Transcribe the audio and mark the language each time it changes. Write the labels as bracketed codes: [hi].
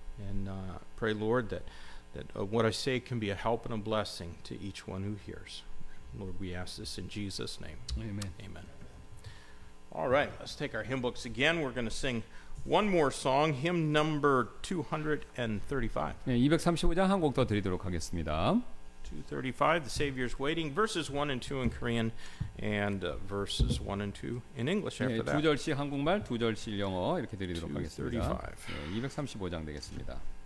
[en] And pray, Lord, that what I say can be a help and a blessing to each one who hears. Lord, we ask this in Jesus' name. Amen. Amen. All right, let's take our hymn books again. We're going to sing one more song, hymn number 235. [ko] 네, 235장 한 곡 더 드리도록 하겠습니다. [en] 235, The Savior's Waiting, verses 1 and 2 in Korean, and verses 1 and 2 in English after 네, [ko] 두 절씩 한국말, 두 절씩 영어 이렇게 드리도록 235. 하겠습니다. 네, 235장 되겠습니다.